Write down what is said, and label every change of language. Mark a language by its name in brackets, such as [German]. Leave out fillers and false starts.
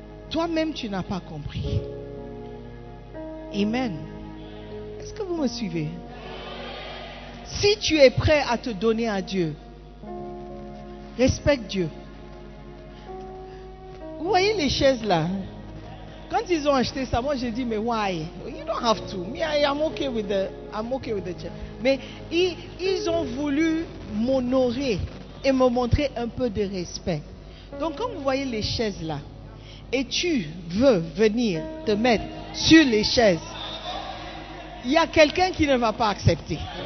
[French] Toi-même, tu n'as pas compris. Amen. Est-ce que vous me suivez? Si tu es prêt à te donner à Dieu, respecte Dieu. Vous voyez les chaises là? Quand ils ont acheté ça, moi j'ai dit, mais why? [English] You don't have to. Me, I'm okay with the church. [French] Mais ils ont voulu m'honorer et me montrer un peu de respect. Donc, quand vous voyez les chaises là, et tu veux venir te mettre sur les chaises, il y a quelqu'un qui ne va pas accepter.